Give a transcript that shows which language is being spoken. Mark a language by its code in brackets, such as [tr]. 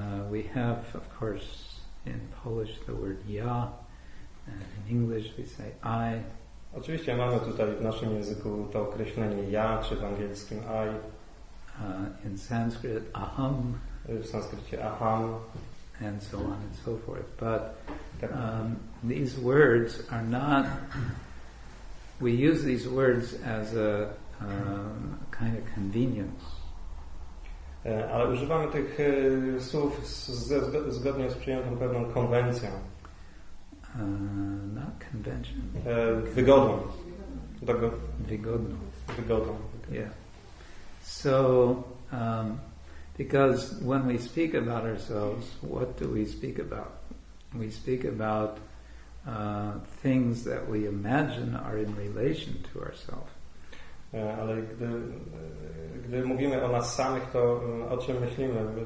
[en] We have, of course, in Polish the word ja, and in English we say I. [pl] Oczywiście mamy tutaj w naszym języku to określenie ja, czy w angielskim I. [en] In Sanskrit aham. [pl] W sanskrycie aham. [en] And so on and so forth. But these words are not... We use these words as a kind of convenience. [pl] Ale używamy tych słów zgodnie z przyjętą pewną konwencją. [en] Not convention. [pl] Wygodą. Wygodną. Wygodą. [en] Yeah. So, because when we speak about ourselves, what do we speak about? We speak about things that we imagine are in relation to ourselves. [pl] Ale gdy mówimy o nas samych, to o czym myślimy?